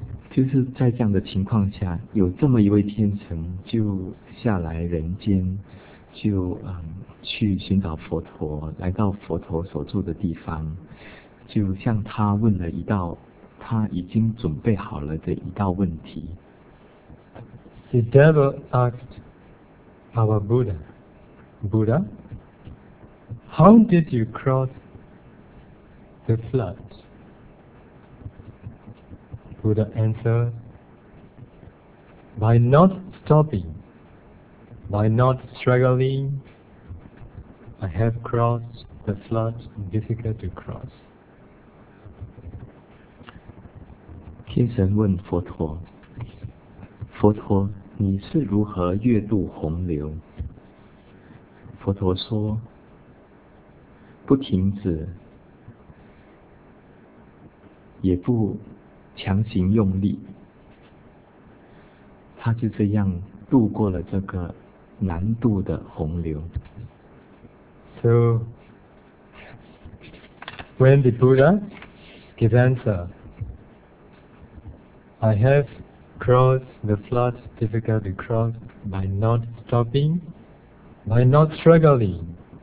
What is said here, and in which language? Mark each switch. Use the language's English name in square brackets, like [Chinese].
[Chinese] 就是在这样的情况下，有这么一位天神就下来人间，就去寻找佛陀，来到佛陀所住的地方，就向他问了一道他已经准备好了的一道问题。 [English] The devil asked our Buddha, Buddha, how did you cross the flood? Buddha answered, by not stopping, by not struggling, I have crossed the flood difficult to cross. [Chinese] 天神问佛陀：“佛陀，你是如何越渡洪流？” 佛陀说：“不停止，也不强行用力。 ”他就这样渡过了这个难渡的洪流。 [English] So, when the Buddha gave answer, I have crossed the flood difficult to cross by not stopping, by not struggling.